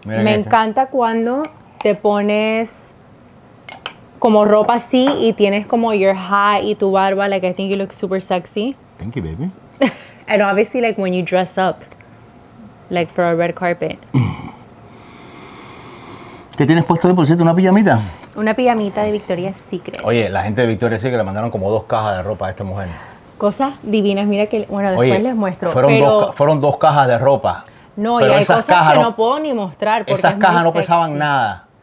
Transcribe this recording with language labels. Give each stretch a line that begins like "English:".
Spanish: Mira, me encanta cuando te pones como ropa así y tienes como
English: your hat
Spanish: y tu barba,
English: like I think you look super sexy. Thank you, baby. And obviously like when you dress up like for a red carpet.
Spanish: ¿Qué tienes puesto hoy, por cierto? ¿Una pijamita? Una pijamita de Victoria's Secret. Oye, la gente de Victoria's Secret le mandaron como dos cajas de ropa a esta mujer. Cosas divinas, mira que, bueno, después les muestro. Fueron dos cajas de ropa. No, pero y hay cosas que no puedo ni mostrar. Porque esas cajas no pesaban nada.